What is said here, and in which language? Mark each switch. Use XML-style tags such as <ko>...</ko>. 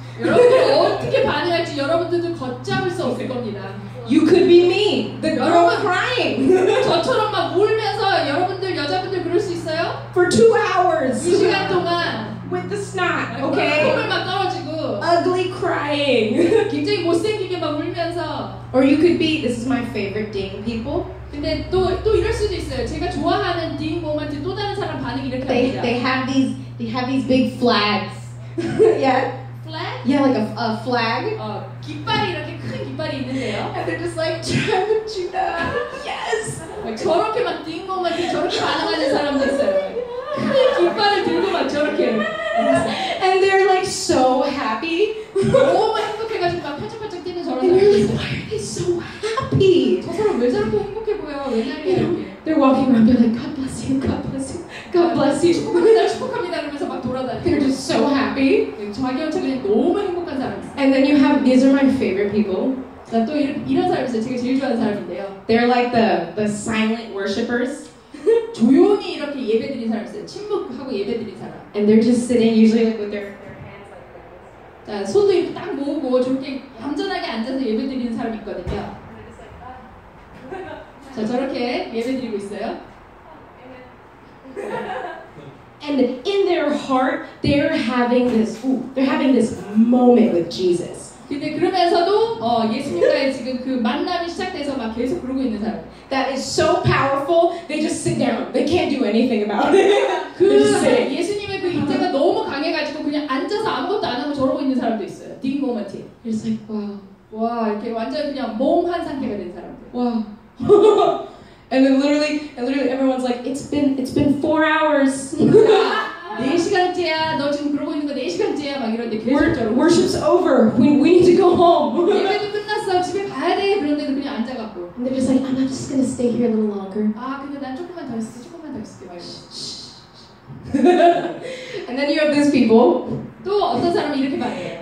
<ko>여러분들 어떻게 반응할지 여러분들도 걷잡을 수 없을 겁니다.</ko> <en>You could be me, the girl crying.</en> <ko>저처럼 막 울면서 여러분들 여자분들 그럴 수 있어요?</ko> <en>For 2 hours.</en> <ko>이 시간 동안.</ko> <en>With the snot, okay?</en> <ko>콧물 막 떨어지고.</ko> <en>Ugly crying.</en> <ko>굉장히 못생기게 막 울면서.</ko> <en>Or you could be, this is my favorite ding people.</en> <ko>근데 또 이럴 수도 있어요. 제가 좋아하는 ding 모먼트 또 다른 사람 반응 이렇게 합니다.</ko> <en>They have these big flags. Yeah. Flag? Yeah, like a flag.</en> <ko>깃발이 이렇게 큰 깃발이 있는데요.</ko> <en>And they're just like,</en> <ko>잘못주다.</ko> <en>Yes.</en> <ko>저렇게 막 띵 모먼트 저렇게 반응하는 사람도 있어요. 큰 깃발을 들고 막 저렇게.</ko> <en>And they're like so happy.</en> <ko>너무 행복해가지고 막 펄쩍펄쩍 뛰는 저런 사람.</ko> <en>And you're like, why are they so happy?</en> <ko>저 사람 왜 저렇게 행복해 보여? 왜 저렇게?</ko> <en>They're walking around, they're like, God bless you, God bless you, God bless you.</en> <ko>축복합니다, 축복합니다, 그러면서 막 돌아다니.</ko> <en>They're just so happy.</en> <ko>자기한테 그냥 너무 행복한 사람.</ko> <en>And then you have, these are my favorite people.</en> <ko>나 또 이런 사람 있어요. 제가 제일 좋아하는 사람인데요.</ko> <en>They're like the silent worshippers.</en> <ko>조용히 이렇게 예배 드린 사람 있어요. 침묵하고 예배 드린 사람.</ko> <en>And they're just sitting, usually like with their hands like this.</en> <ko>자, 손도 이렇게 딱 모으고 저렇게 얌전하게 앉아서 예배 드리는 사람 있거든요. 자, 저렇게 예배 드리고 있어요.</ko> <en>And in their heart, they're having this, they're having this moment with Jesus.</en> <ko>근데 그러면서도 예수님과의 지금 그 만남이 시작돼서 막 계속 그러고 있는 사람.</ko> <en>That is so powerful. They just sit down. They can't do anything about it.</en> <ko>그 예수님의 그 인재가 너무 강해가지고 그냥 앉아서 아무것도 안 하고 저러고 있는 사람도 있어요. 딩 모먼트.</ko> <en>It's like wow.</en> <ko>와, 이렇게 완전 그냥 멍한 상태가 된 사람들. 와.</ko> <en>And then literally everyone's like, it's been 4 hours.</en> <ko>네 시간째야. 너 지금 그러고 있는 거 네 시간째야. 막 이런데 계속.</ko> <en>Worship's over. We need to go home.</en> <ko>예배도 끝났어. 집에 가야 돼. 그런데도 그냥 앉아갖고.</ko> <en>And they're just like, I'm just gonna stay here a little longer.</en> <ko>아, 근데 난 조금만 더 있을게. 조금만 더 있을게. 말이야.</ko> <en>And then you have these people.</en> <ko>또 어떤 사람이 이렇게 말해요.</ko>